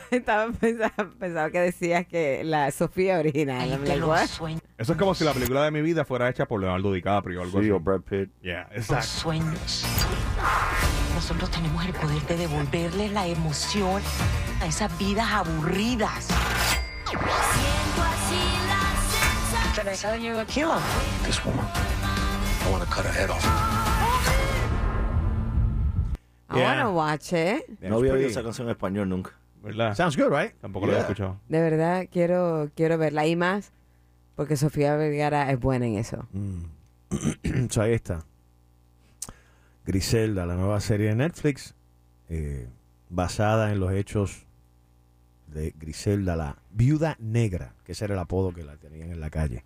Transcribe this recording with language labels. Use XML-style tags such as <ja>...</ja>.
<es>Estaba pensando que decías que la Sofía original. Eso es como si la película de mi vida fuera hecha por Leonardo DiCaprio o algo así. Sí, o Brad Pitt. Exacto. Los sueños. Nosotros tenemos el poder de devolverle la emoción a esas vidas aburridas.</es> <en>Can I sell you a kilo? This woman, I want to cut her head off. I want to watch it.</en> <es>No había oído esa canción en español nunca. ¿Verdad?</es> <en>Sounds good, right?</en> <es>Tampoco lo había escuchado. De verdad, quiero verla. Y más, porque Sofía Vergara es buena en eso. So ahí está. Griselda, la nueva serie de Netflix, basada en los hechos de Griselda, la viuda negra, que ese era el apodo que la tenían en la calle.</es>